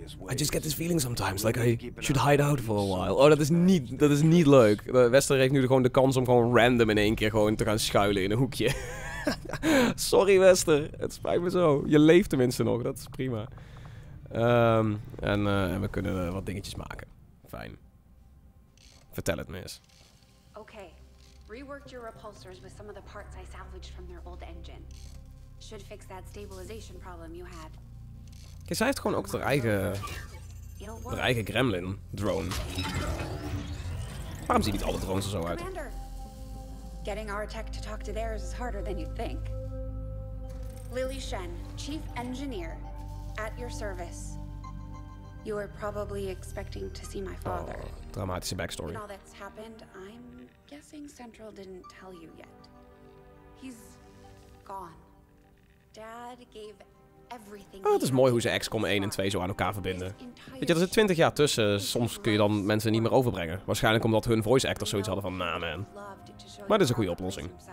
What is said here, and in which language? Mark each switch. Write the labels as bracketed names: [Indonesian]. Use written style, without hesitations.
[English] I just get this feeling sometimes, like I should hide out for a while. [Dutch] Oh, dat is niet leuk. Wester heeft nu gewoon de kans om gewoon random in één keer gewoon te gaan schuilen in een hoekje. Sorry Wester, het spijt me zo. Je leeft tenminste nog, dat is prima. En we kunnen wat dingetjes maken. Fijn. Vertel het me eens. Oké. [English] Reworked your repulsors with some of the parts I salvaged from their old engine. Should fix that stabilization problem you had. [Dutch] Kijk, zij heeft gewoon ook haar eigen gremlin drone. Waarom zien niet alle drones er zo uit? [English] Commander, getting our tech to talk to theirs is harder than you think. Lily Shen, chief engineer, at your service. You were probably expecting to see my father. [Dutch] Oh, dramatische backstory. [English] All that's happened, I'm guessing Central didn't tell you yet. He's gone. Dad gave everything. [Dutch] Oh, het is mooi hoe ze XCOM 1 en 2 zo aan elkaar verbinden. Weet je, er zit 20 jaar tussen. Soms kun je dan mensen niet meer overbrengen. Waarschijnlijk omdat hun voice actors zoiets hadden van, nah, man. Maar dit is een goede oplossing.